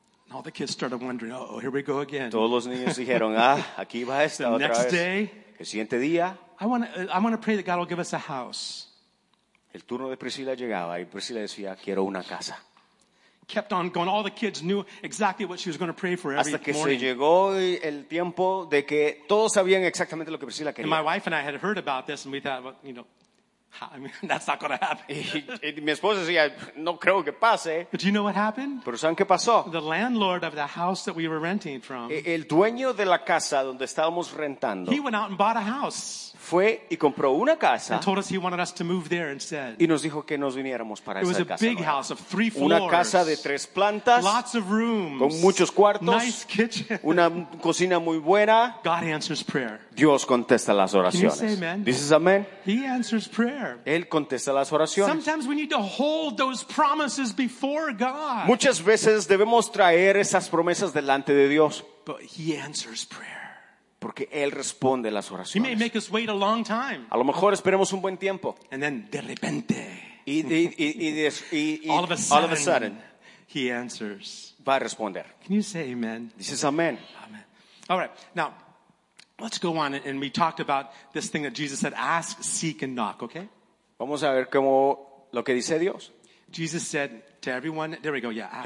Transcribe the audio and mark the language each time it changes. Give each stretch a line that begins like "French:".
English: And all the kids started wondering, "Oh, here we go again."
Spanish: Todos los niños dijeron, "Ah, aquí va esta otra vez."
English: The next day,
Spanish: el siguiente día,
English: I want to pray that God will give us a house.
Spanish: El turno de Priscila llegaba y Priscila decía, "Quiero una casa."
English: Kept on going. All the kids knew exactly what she was going to pray for every
Spanish: hasta que
English: morning.
Spanish: Se llegó el tiempo de que todos sabían exactamente lo que Priscila quería.
English: And my wife and I had heard about this, and we thought, well, you know, I mean, that's not going to happen.
Spanish: Y mi esposa decía, no creo que pase.
English: But do you know what happened?
Spanish: Pero ¿saben qué pasó?
English: The landlord of the house that we were renting from.
Spanish: El dueño de la casa donde estábamos rentando.
English: He went out and bought a house.
Spanish: Fue y compró una casa.
English: And told us he wanted us to move there instead.
Spanish: Y nos dijo que nos viniéramos para
English: it
Spanish: esa casa.
English: It was a big
Spanish: nueva.
English: House of 3 floors.
Spanish: Una casa de 3 plantas.
English: Lots of rooms.
Spanish: Con muchos cuartos.
English: Nice kitchen.
Spanish: Una cocina muy buena.
English: God answers prayer.
Spanish: Dios contesta las oraciones.
English: Can you say amen?
Spanish: Dices amén.
English: He answers prayer.
Spanish: Él contesta las oraciones.
English: Sometimes we need to hold those promises before God.
Spanish: Muchas veces debemos traer esas promesas delante de Dios.
English: But he answers prayer.
Spanish: Porque Él responde las oraciones.
English: He may make us wait a long time.
Spanish: A lo mejor esperemos un buen tiempo.
English: And then,
Spanish: de repente,
English: all of a sudden, he answers.
Spanish: Va a responder.
English: Can you say amen?
Spanish: Dices amén.
English: Amen. All right. Now, let's go on. And we talked about this thing that Jesus said, ask, seek, and knock. Okay?
Spanish: Vamos a ver cómo lo que dice Dios.
English: Jesus said to everyone, there we go, yeah, ask.